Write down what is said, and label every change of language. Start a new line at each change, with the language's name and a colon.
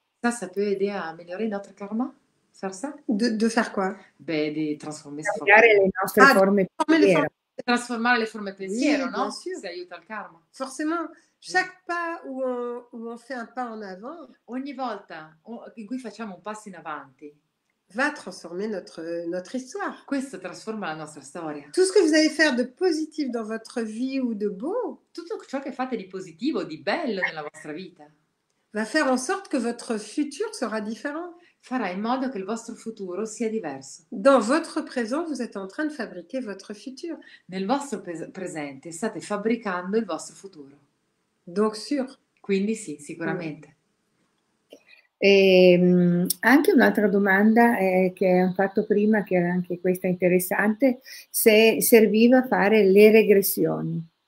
French: Ça peut aider à améliorer notre karma? Faire ça? De faire quoi?
Italian: Beh, di trasformare le nostre forme pensiero. Trasformare le forme pensiero,
French: oui, Bien sûr.
Italian: Se aiuta il karma.
French: Forcément. Chaque pas où on fait un pas en avant,
Italian: ogni volta in cui facciamo un passo in avanti,
French: va transformer notre histoire.
Italian: Questo trasforma la nostra storia.
French: Tout ce que vous allez faire de positif dans votre vie ou de beau,
Italian: tutto ciò che fate di positivo o di bello nella vostra vita,
French: va faire en sorte que votre futur sera différent.
Italian: Farà in modo che il vostro futuro sia diverso.
French: Dans votre présent, vous êtes en train de fabriquer votre futur.
Italian: Nel vostro presente state fabbricando il vostro futuro.
French: Donc sûr.
Italian: Quindi sì, sicuramente. E anche un'altra domanda che hanno fatto prima, che era anche questa interessante, se serviva fare le regressioni